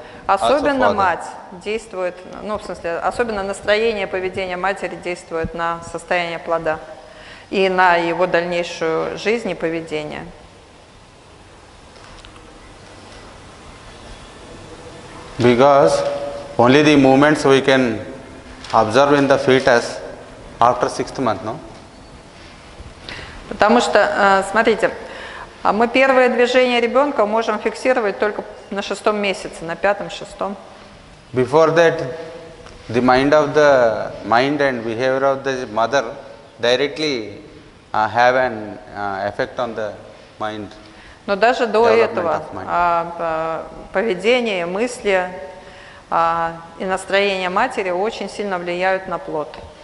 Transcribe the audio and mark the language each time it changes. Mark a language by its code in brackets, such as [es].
[ru] Особенно мать действует, ну, в смысле, особенно настроение поведения матери действует на состояние плода и на его дальнейшую жизнь и поведение. [en] Because only the movements we can observe in the fetus after sixth month, no? [ru] Потому что, смотрите, а мы первое движение ребенка можем фиксировать только на шестом месяце, на пятом, шестом. [en] Before that, the mind of the mind and behavior of the mother directly have an effect on the mind. [ru] Но даже до этого поведение, мысли и настроение матери очень сильно влияют на плод.